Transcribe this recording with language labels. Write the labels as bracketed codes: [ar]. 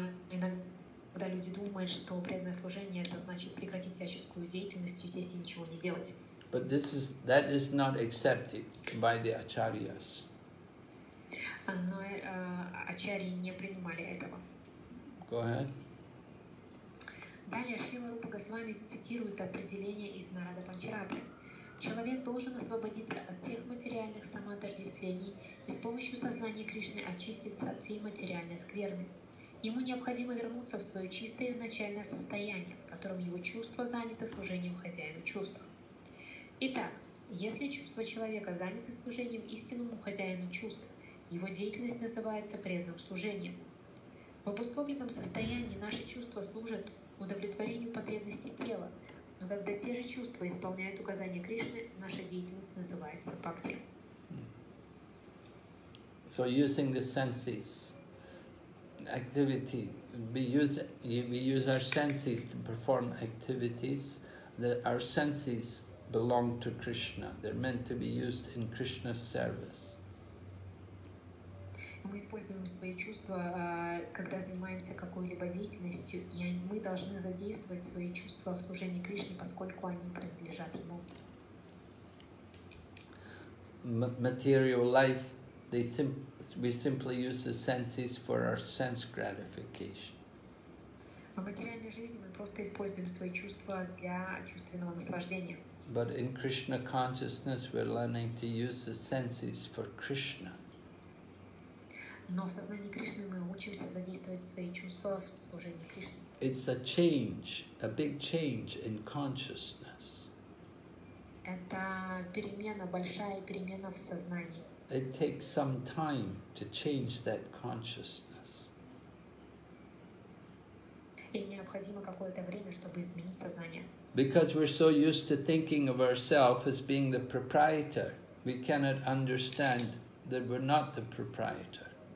[ru] Иногда люди думают, что преданное служение это значит прекратить всяческую деятельность, сесть и ничего не делать. [en] But that is not accepted by the acharyas. [ru] Но ачарьи не принимали этого. [en] Go ahead. [ru] Далее Шрила Рупа Госвами цитирует определение из Нарада Панчаратры. Человек должен освободиться от всех материальных самоотождествлений и с помощью сознания Кришны очиститься от всей материальной скверны. Ему необходимо вернуться в свое чистое изначальное состояние, в котором его чувства заняты служением хозяину чувств. Итак, если чувства человека заняты служением истинному хозяину чувств, его деятельность называется преданным служением. В обусловленном состоянии наши чувства служат удовлетворению потребностей тела, но когда те же чувства исполняют указания Кришны, наша деятельность называется бхакти. [en] So using the senses activity, we use our senses to perform activities. That our senses belong to Krishna. They're meant to be used in Krishna's service. [ru] Мы используем свои чувства, когда занимаемся какой-либо деятельностью, и мы должны задействовать свои чувства в служении Кришне, поскольку они принадлежат Ему. [en] Material life, we simply use the senses for our sense gratification. [ru] В материальной жизни мы просто используем свои чувства для чувственного наслаждения. [en] But in Krishna consciousness, we're learning to use the senses for Krishna. [ru] Но в сознании Кришны мы учимся задействовать свои чувства в служении Кришне. [en] It's a change, a big change in consciousness. [ru] Это перемена, большая перемена в сознании. [en] It takes some time to change that consciousness. [ru] И необходимо какое-то время, чтобы изменить сознание. [en] Because we're so used to thinking of ourselves as being the proprietor, we cannot understand that we're not the proprietor.